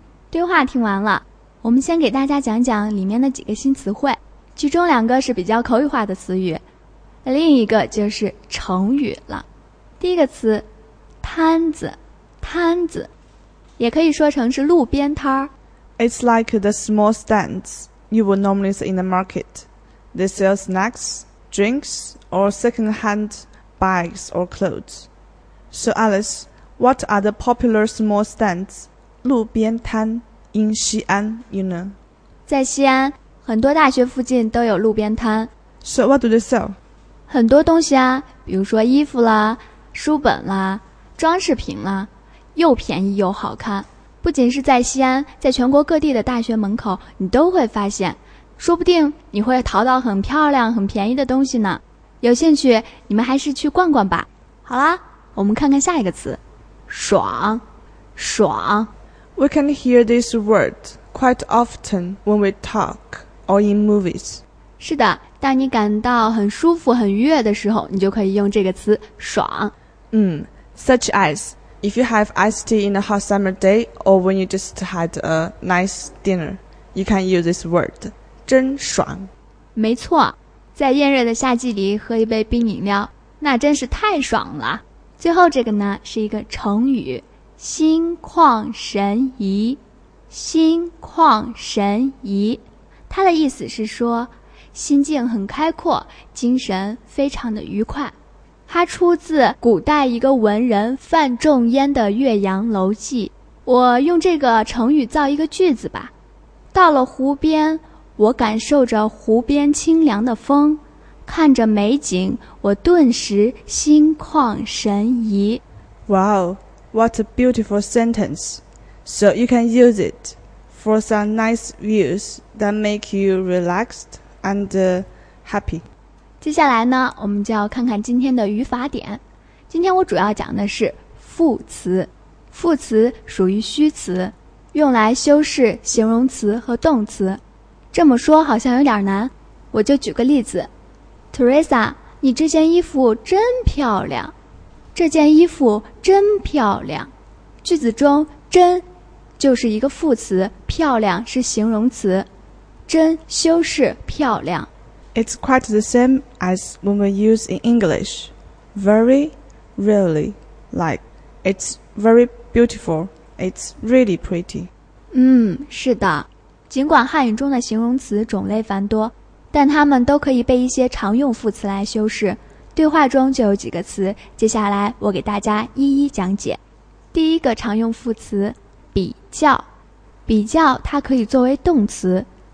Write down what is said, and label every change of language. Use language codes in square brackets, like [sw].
[zh] 对话听完了，我们先给大家讲讲里面的几个新词汇，其中两个是比较口语化的词语，另一个就是成语了。第一个词，摊子，摊子，也可以说成是路边摊儿。 [en] It's like the small stands you would normally see in the market. They sell snacks, drinks, or second-hand bags or clothes. So Alice, what are the popular small stands? 路边摊 in 西安, you know. [zh] 在西安，很多大学附近都有路边摊。 [en] So what do they sell? [zh] 很多东西啊，比如说衣服啦，书本啦，装饰品啦，又便宜又好看。不仅是在西安，在全国各地的大学门口你都会发现，说不定你会淘到很漂亮很便宜的东西呢。有兴趣你们还是去逛逛吧。好啦，我们看看下一个词，爽，爽。 [en] We can hear this word quite often when we talk or in movies. [zh] 是的，当你感到很舒服很愉悦的时候，你就可以用这个词爽。 [en] Such as, if you have iced tea in a hot summer day or when you just had a nice dinner, you can use this word, 真爽。 [zh] 没错，在炎热的夏季里喝一杯冰饮料，那真是太爽了。最后这个呢，是一个成语，心旷神怡，心旷神怡。它的意思是说，心境很开阔，精神非常的愉快。它出自古代一个文人范仲淹的《岳阳楼记》。我用这个成语造一个句子吧。到了湖边，我感受着湖边清凉的风，看着美景，我顿时心旷神怡。 [en] Wow, what a beautiful sentence. So you can use it for some nice views that make you relaxed and happy. [zh] 接下来呢，我们就要看看今天的语法点。今天我主要讲的是副词，副词属于虚词，用来修饰形容词和动词。这么说好像有点难，我就举个例子。Teresa, 你这件衣服真漂亮。这件衣服真漂亮，句子中真就是一个副词，漂亮是形容词，真修饰漂亮。 [en] It's quite the same as when we use in English, very, really, like, it's very beautiful, it's really pretty. [zh] 是的，尽管汉语中的形容词种类繁多，但它们都可以被一些常用副词来修饰。对话中就有几个词，接下来我给大家一一讲解。第一个常用副词，比较，比较它可以作为动词。